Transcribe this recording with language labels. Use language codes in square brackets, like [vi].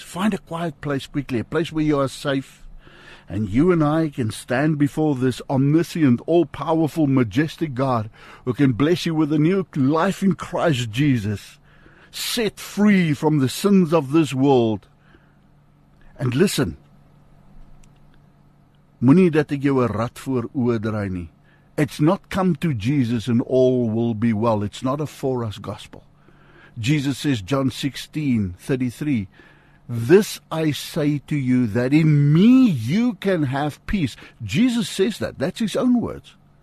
[en] Find a quiet place quickly, a place where you are safe, and you and I can stand before this omniscient, all-powerful, majestic God who can bless you with a new life in Christ Jesus, set free from the sins of this world. And listen, [af] moenie dat ek jou 'n rad voor oë draai nie. [en] It's not come to Jesus and all will be well. It's not a for us gospel. Jesus says, John 16, 33, this I say to you, that in me you can have peace. Jesus says that. That's his own words.